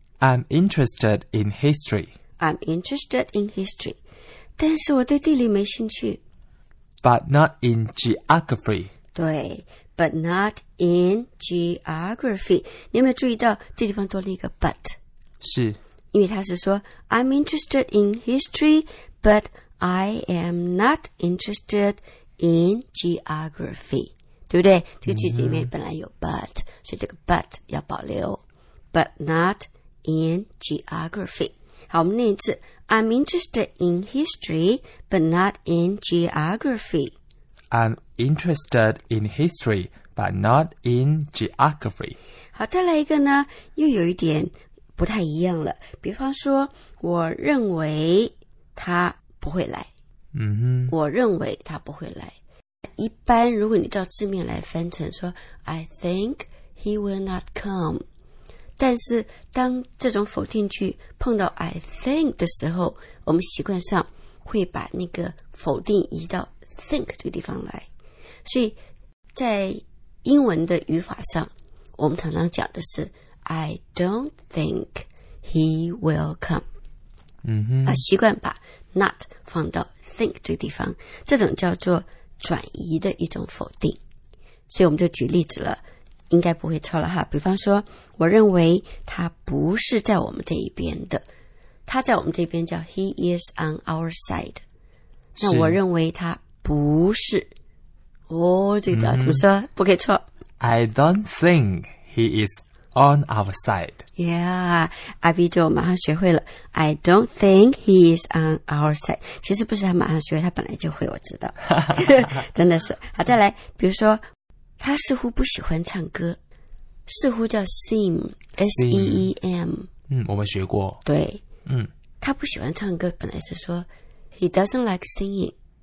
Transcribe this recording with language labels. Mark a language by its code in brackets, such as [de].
[en] ，I'm interested in history. I'm interested in history. [zh] 但是我对地理没兴趣 [en] ，but not in geography. 对 ，but not in geography. [zh] 你有没有注意到这地方多了一个 but？是，因为他是说 [en] I'm interested in history, but I am not interested in geography. [zh] 对不对？这个句子里面本来有 but，、mm-hmm. 所以这个 but 要保留。 [en] But not in geography. [zh] 好，我们念一次。 [en] I'm interested in history, but not in geography. I'm interested in history, but not in geography. [zh] 好，再来一个呢，又有一点不太一样了。比方说，我认为他不会来。嗯哼。我认为他不会来。一般如果你照字面来翻成说 [en] I think he will not come， [zh] 但是当这种否定句碰到 I think 的时候，我们习惯上会把那个否定移到 think 这个地方来，所以在英文的语法上我们常常讲的是 [en] I don't think he will come、 mm-hmm. [zh] 啊、习惯把 not 放到 think 这个地方，这种叫做转移的一种否定，所以我们就举例子了，应该不会错了哈。比方说，我认为他不是在我们这一边的，他在我们这边叫 [en] He is on our side。 [zh] 那我认为他不是，哦，这个叫怎么说？不可以错。 [en] I don't think he is on our side. [zh] Yeah, 阿 B 就马上学会了。 [en] I don't think he is on our side. [zh] 其实不是他马上学会，他本来就会，我知道。真的是。好，再来，比如说，他似乎不喜欢唱歌。似乎叫 seem, S-E-E-M。嗯，我们学过。对。嗯。他不喜欢唱歌，本来是说 [en] he doesn't like singing.